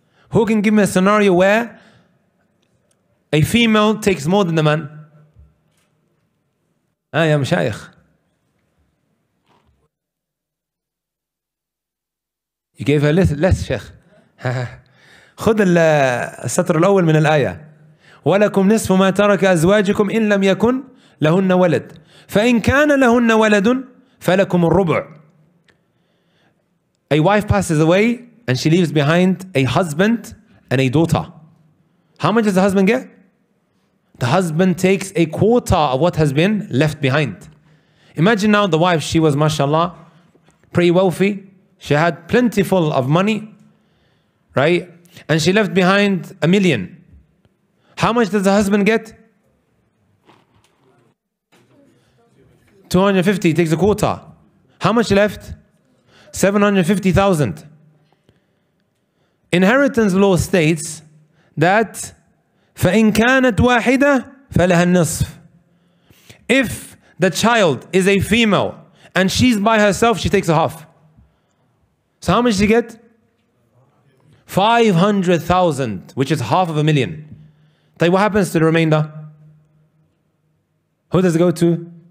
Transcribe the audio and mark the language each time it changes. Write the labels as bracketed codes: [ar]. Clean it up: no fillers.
[en] Who can give me a scenario where a female takes more than the man? [ar] يا مشايخ. [en] You gave her less, شيخ. [ar] خذ السطر الأول من الآية. ولكم نصف ما ترك أزواجكم إن لم يكن لهن ولد، فإن كان لهن ولد فلكم الربع. [en] A wife passes away and she leaves behind a husband and a daughter. How much does the husband get? The husband takes a quarter of what has been left behind. Imagine now the wife, she was mashallah, pretty wealthy. She had plentiful of money, right? And she left behind 1 million. How much does the husband get? 250, takes a quarter. How much left? 750,000. Inheritance law states that فَإِنْ كَانَتْ وَاحِدَةً فَلَهَا النِّصْفِ. If the child is a female and she's by herself, she takes a half. So how much does she get? 500,000, which is half of 1 million. Like, what happens to the remainder? Who does it go to?